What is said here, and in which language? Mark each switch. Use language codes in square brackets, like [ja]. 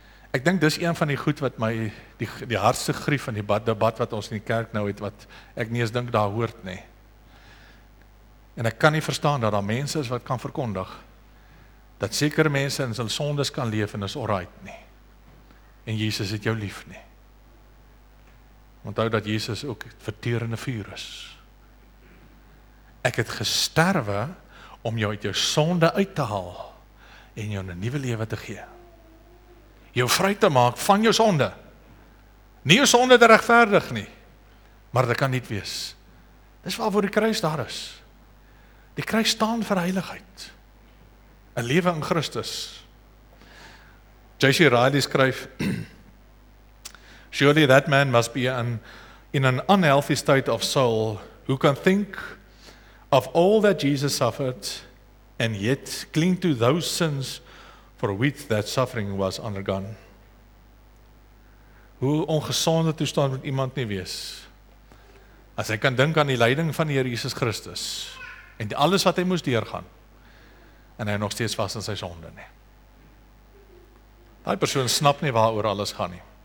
[af] Ek dink dis een van die goed wat my, die hardste grief in die debat wat ons in die kerk nou het, wat ek nie eens dink daar hoort nie. En ek kan nie verstaan dat daar mense is wat kan verkondig, dat sekere mense in hulle sondes kan leef en is alright nie. En Jesus het jou lief nie. Onthou dat Jesus ook verterende vuur is. Ek het gesterwe om jou uit jou sonde uit te haal en jou 'n nuwe lewe te gee. Jou vry te maak van jou sonde. Nie jou sonde te regverdig nie, maar dit kan nie wees. Dis waarvoor die kruis daar is. Die kruis staan vir heiligheid. 'N lewe in Christus. J.C. [en] Riley [af] skryf, [en] surely that man must be in an unhealthy state of soul, who can think of all that Jesus suffered, and yet cling to those sins for which that suffering was undergone. [af] Hoe ongesonde toestand moet iemand nie wees, as hy kan dink aan die lyding van die Here Jesus Christus, en alles wat hy moes deurgaan, en hy nog steeds vas in sy sonde nie. Die persoon snap nie waar oor alles gaan nie.